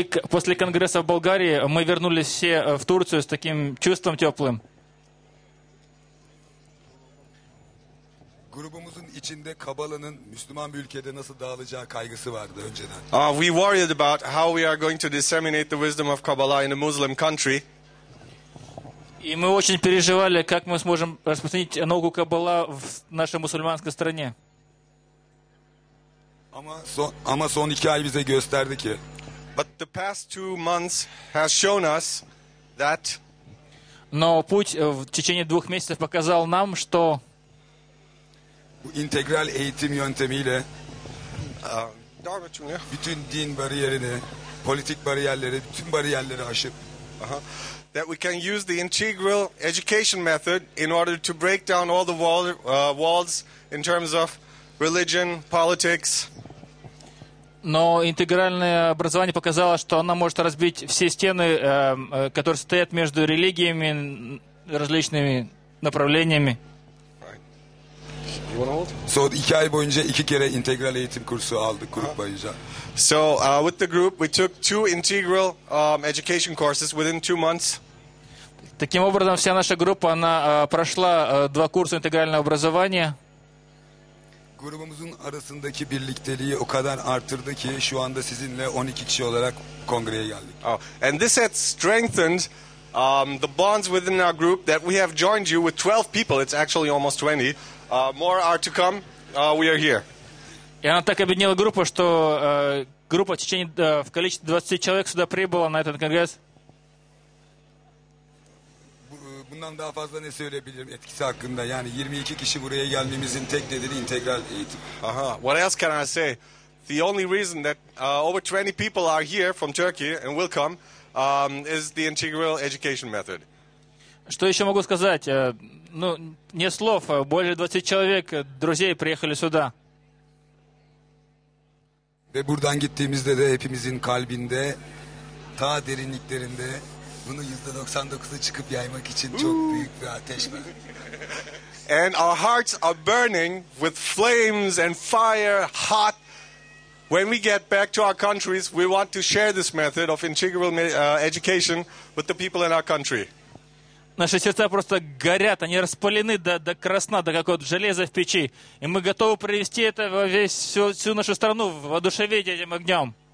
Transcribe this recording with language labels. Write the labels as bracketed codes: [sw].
[ru] После конгресса в Болгарии мы вернулись все в Турцию с таким чувством теплым. [tr] Grubumuzun içinde Kabala'nın Müslüman bir ülkede nasıl dağılacağı kaygısı vardı önceden. [en] We worried about how we are going to disseminate the wisdom of Kabbalah in a Muslim country. [ru] И мы очень переживали, как мы сможем распространить науку Каббала в нашей мусульманской стране. [tr] Ама сон 2 ай бизе гостерди ки. [en] But the past 2 months has shown us that. [ru] Но путь в течение 2 месяцев показал нам, что [tr] bu integral eğitim yöntemiyle bütün din bariyerini, politik bariyerleri, bütün bariyerleri aşıp [en] that we can use the integral education method in order to break down all the walls in terms of religion, politics. [ru] Но интегральное образование показало, что оно может разбить все стены, которые стоят между религиями, различными направлениями. [tr] So 2 ay boyunca 2 kere integral eğitim kursu aldık grup boyunca. [en] So with the group we took 2 integral education courses within 2 months. [ru] Таким образом вся наша группа она прошла 2 курса интегрального образования. [tr] Grubumuzun arasındaki birlikteliği o kadar arttırdı ki şu anda sizinle 12 kişi olarak kongreye geldik. [en] And this has strengthened the bonds within our group that we have joined you with 12 people. It's actually almost 20. More are to come. We are here. [ru] И она так объединила группу, что группа в течение в количестве 20 человек сюда прибыла на этот конгресс. [tr] Bundan daha fazla ne söyleyebilirim etkisi hakkında? Yani 22 kişi buraya gelmemizin tek nedeni integral eğitim. [en] What else can I say? The only reason that over 20 people are here from Turkey and will come is the integral education method. [ru] Что еще могу сказать? Ну, не слов, более 20 человек, друзей приехали сюда. [tr] Ve buradan gittiğimizde de hepimizin kalbinde, ta derinliklerinde bunu %99'a çıkıp yaymak için çok büyük bir ateş var. [en] And our hearts are burning with flames and fire, hot. When we get back to our countries, we want to share this method of integral education with the people in our country. [ru] Наши сердца просто горят, они распалены до красна, до какого-то железа в печи. И мы готовы привести это во весь всю нашу страну, воодушевить этим огнем.